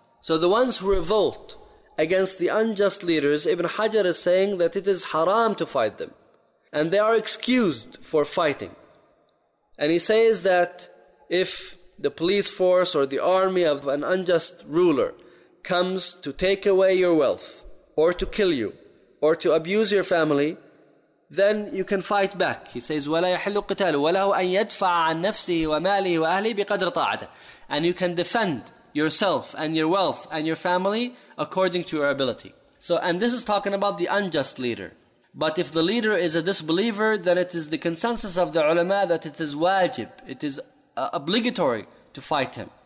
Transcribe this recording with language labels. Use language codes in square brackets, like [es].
[en] So the ones who revolt against the unjust leaders, Ibn Hajar is saying that it is haram to fight them, and they are excused for fighting. And he says that if the police force or the army of an unjust ruler comes to take away your wealth, or to kill you, or to abuse your family, then you can fight back. [ar] He says, وَلَا يَحِلُّ قِتَالُ وَلَهُ أَنْ يَدْفَعَ عَنْ نَفْسِهِ وَمَالِهِ وَأَهْلِهِ بِقَدْرِ طَاعَتِهِ. [en] And you can defend yourself and your wealth and your family according to your ability. So, and this is talking about the unjust leader. But if the leader is a disbeliever, then it is the consensus of the ulama that it is wajib, it is obligatory to fight him.